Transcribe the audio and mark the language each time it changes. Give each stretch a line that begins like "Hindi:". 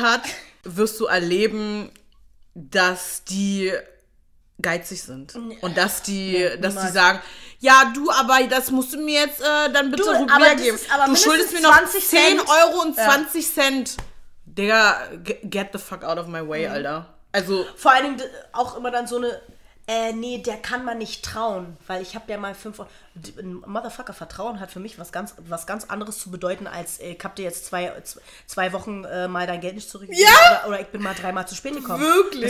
German: hat, wirst du erleben, dass die geizig sind. Und dass die, die sagen, ja, du, aber das musst du mir jetzt dann bitte rübergeben. Du schuldest mir noch 10 Euro und 20 Cent.
English: Digga, get the fuck out of my way, Alter.
German: Also vor allen Dingen auch immer dann so eine, nee, der kann man nicht trauen, weil ich hab ja mal 5 Euro. Motherfucker, Vertrauen hat für mich was ganz anderes zu bedeuten, als ich hab dir jetzt zwei Wochen mal dein Geld nicht zurückgegeben. Ja? Oder ich bin mal 3-mal zu spät gekommen. Wirklich?